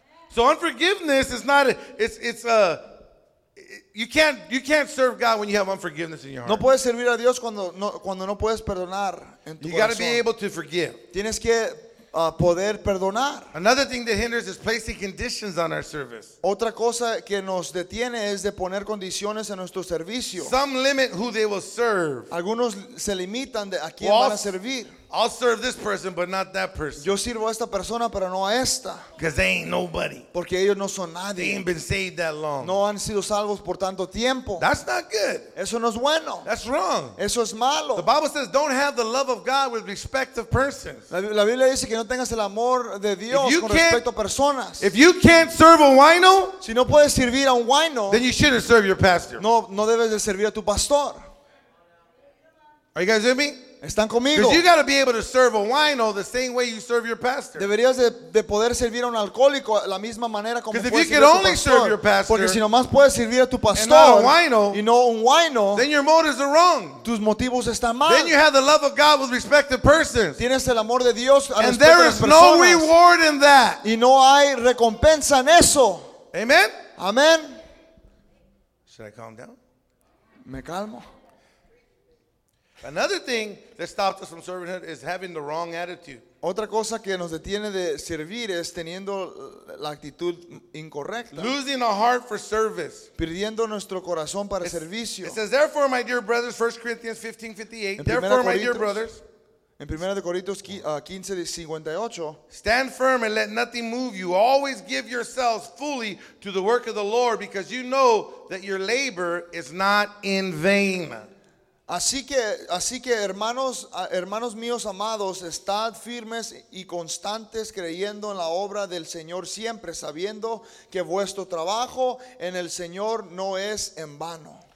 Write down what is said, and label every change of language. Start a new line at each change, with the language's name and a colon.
English: So unforgiveness is not a, it's a you can't serve God when you have unforgiveness in your heart.
Spanish: No puedes servir a Dios cuando no puedes perdonar en tu corazón.
English: You got to be able to forgive.
Spanish: Tienes que poder perdonar.
English: Another thing that hinders is placing conditions on our service.
Spanish: Otra cosa que nos detiene es de poner condiciones en nuestro servicio.
English: Some limit who they will serve.
Spanish: Algunos se limitan de a quién van a servir.
English: I'll serve this person, but not that person.
Spanish: Yo sirvo a esta persona, pero no a esta.
English: Because they ain't nobody.
Spanish: Porque ellos no son nadie.
English: They ain't been saved that long.
Spanish: No han sido salvos por tanto tiempo.
English: That's not good.
Spanish: Eso no es bueno.
English: That's wrong.
Spanish: Eso es malo.
English: The Bible says, "Don't have the love of God with respect of persons."
Spanish: La Biblia dice que no tengas el amor de Dios con respecto a personas.
English: If you can't serve a wino,
Spanish: si no puedes servir a un wino,
English: then you shouldn't serve your pastor.
Spanish: No debes de servir a tu pastor.
English: Are you guys with me?
Spanish: Están conmigo.
English: Because you got to be able to serve a wino the same way you serve your pastor.
Spanish: Deberías de poder servir a un alcohólico la misma manera como puedes servir a tu pastor.
English: Because if you can only serve your pastor,
Spanish: porque si nomás puedes servir a tu pastor,
English: and not a wino,
Spanish: y no un wino,
English: then your motives are wrong.
Spanish: Tus motivos están mal.
English: Then you have the love of God with respect to persons.
Spanish: Tienes el amor de Dios a respecto a personas.
English: And there is no reward in that.
Spanish: Y no hay recompensa en eso.
English: Amen.
Spanish: Amen.
English: Should I calm down?
Spanish: Me calmo.
English: Another thing that stops us from servanthood is having the wrong attitude.
Spanish: Otra cosa que nos detiene de servir es teniendo la actitud incorrecta.
English: Losing a heart for service.
Spanish: Perdiendo nuestro corazón para servicio.
English: It says, therefore, my dear brothers, 1 Corinthians 15:58. Therefore, my dear brothers.
Spanish: En 1 Corintios 15:58.
English: Stand firm and let nothing move you. Always give yourselves fully to the work of the Lord, because you know that your labor is not in vain.
Spanish: Así que hermanos míos amados, estad firmes y constantes creyendo en la obra del Señor siempre, sabiendo que vuestro trabajo en el Señor no es en vano.